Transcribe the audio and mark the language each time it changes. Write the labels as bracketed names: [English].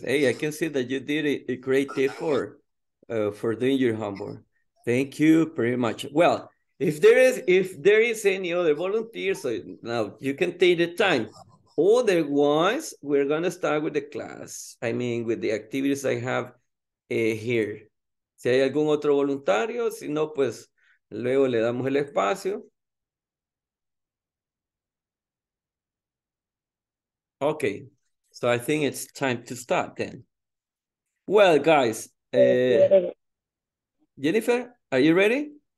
[English] Hey, I can see that you did a great effort for doing your homework. Thank you very much. Well, if there is any other volunteers, so now you can take the time. Otherwise, we're going to start with the class. I mean, with the activities I have here. [Spanish] Si hay algún otro voluntario, si no, pues luego le damos el espacio. [English] Okay, so I think it's time to start then. Well, guys, Jennifer, are you ready?